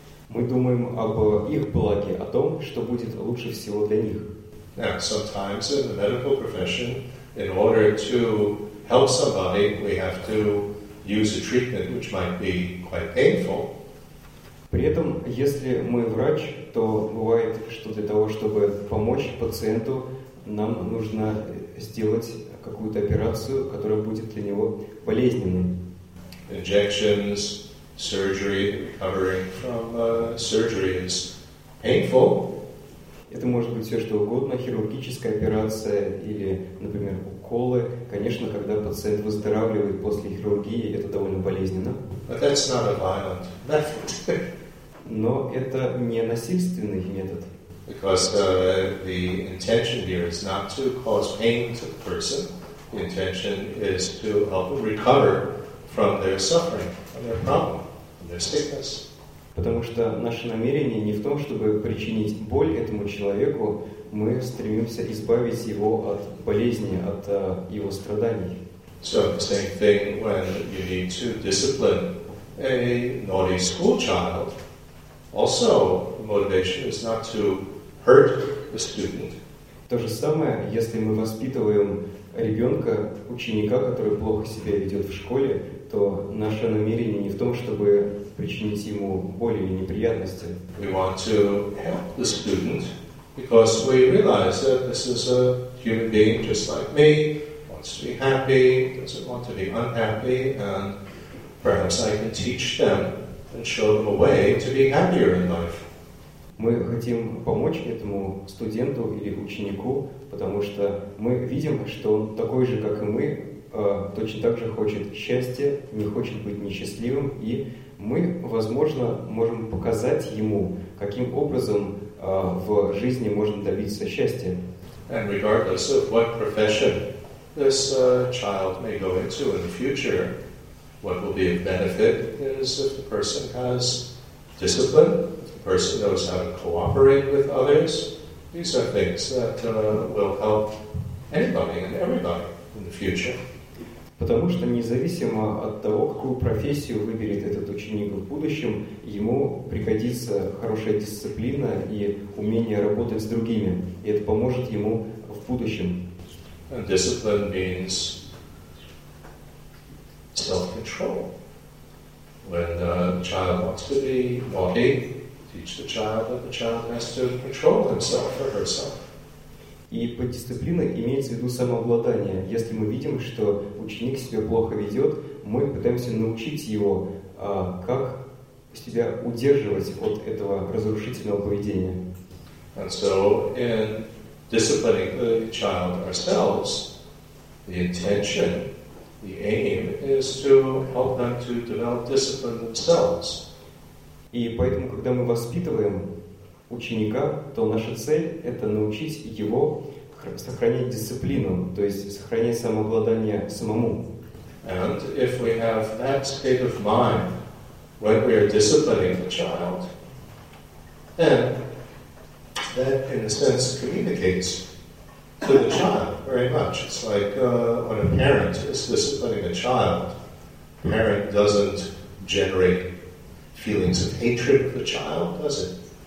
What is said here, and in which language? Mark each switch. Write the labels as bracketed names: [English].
[Russian] Мы думаем об их благе, о том, что будет лучше всего для них. [English] Now, sometimes in the medical profession, in order to help somebody, we have to use a treatment which might be quite painful. [Russian] При этом, если мы врач, то бывает, что для того, чтобы помочь пациенту, нам нужно сделать какую-то операцию, которая будет для него болезненной. [English] Injections, surgery, recovering from surgery is painful. [Russian] Это может быть все что угодно, хирургическая операция или, например, уколы. Конечно, когда пациент выздоравливает после хирургии, это довольно болезненно. [English] But that's not a violent method. [Russian] Но это не насильственный метод. [English] Because the intention here is not to cause pain to the person. The intention is to help them recover from their suffering, from their problem, from their sickness. [Russian] Потому что наше намерение не в том, чтобы причинить боль этому человеку, мы стремимся избавить его от болезни, от его страданий. [English] So the same thing when you need to discipline a naughty school child. Also, the motivation is not to hurt the student. [Russian] То же самое, если мы воспитываем ребенка, ученика, который плохо себя ведет в школе, то наше намерение не в том, чтобы причинить ему боль или неприятности. [English] We want to help the student because we realize that this is a human being just like me, wants to be happy, doesn't want to be unhappy, and perhaps I can teach them and show them a way to be happier in life. [Russian] Мы хотим помочь этому студенту или ученику, потому что мы видим, что он такой же, как и мы, точно так же хочет счастья, не хочет быть несчастливым, и мы, возможно, можем показать ему, каким образом в жизни можно добиться счастья. [English] And regardless of what profession this child may go into in the future, what will be of benefit is if the person has discipline, if the person knows how to cooperate with others. These are things that will help anybody and everybody in the future. [Russian] Потому что независимо от того, какую профессию выберет этот ученик в будущем, ему пригодится хорошая дисциплина и умение работать с другими, и это поможет ему в будущем. [English] And discipline means self-control. When the child wants to be naughty, teach the child that the child has to control himself or herself. [Russian] И под дисциплиной имеется в виду самообладание. Если мы видим, что ученик себя плохо ведет, мы пытаемся научить его, как себя удерживать от этого разрушительного поведения. [English] And so in disciplining the child ourselves, the intention, the aim is to help them to develop discipline themselves. [Russian] И поэтому, когда мы воспитываем ученика, то наша цель — это научить его сохранять дисциплину, то есть сохранять самообладание самому. [English] And if we have that state of mind when we are disciplining the child, then that, in a sense, communicates to the child very much. It's like when a parent is disciplining a child, the parent doesn't generate feelings of hatred of the child, does it?